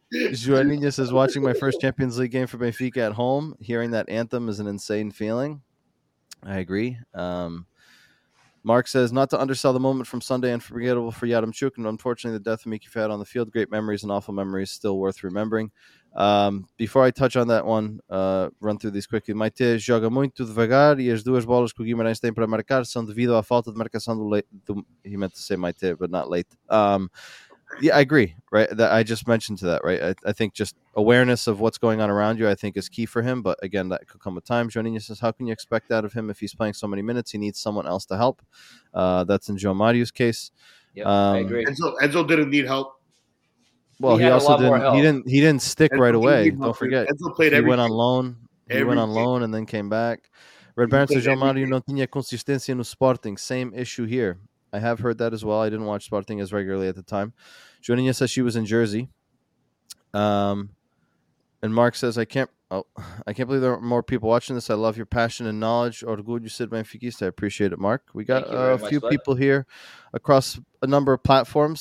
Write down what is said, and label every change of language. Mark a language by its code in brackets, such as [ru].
[en] Joaninha says, watching my first Champions League game for Benfica at home, hearing that anthem is an insane feeling. I agree. Mark says, not to undersell the moment from Sunday, unforgettable for Yadamchuk, and unfortunately the death of Miki Fayad on the field. Great memories and awful memories still worth remembering. Before I touch on that one, run through these quickly. [pt] Maite joga muito devagar e as duas bolas que o Guimarães tem para marcar são devido à falta de marcação do late. [en] He meant to say Maite, but not late. Yeah, I agree, right? That I just mentioned to that, right? I think just awareness of what's going on around you, I think, is key for him. But again, that could come with time. Joaninha says, how can you expect that of him if he's playing so many minutes? He needs someone else to help. That's in João Mário's case. Yeah, I agree. Enzo didn't need help. Well, he also didn't. He didn't stick Enzo right away. Don't forget. Enzo played everything. He went on loan and then came back. [pt] Red Baron says, João Mário não tinha consistência no Sporting. [en] Same issue here. I have heard that as well. I didn't watch Sporting as regularly at the time. Joaninha says she was in Jersey. And Mark says, I can't believe there are more people watching this. I love your passion and knowledge. [pt] Orgulho ser benfiquista. [en] I appreciate it, Mark. We got a few people here across a number of platforms.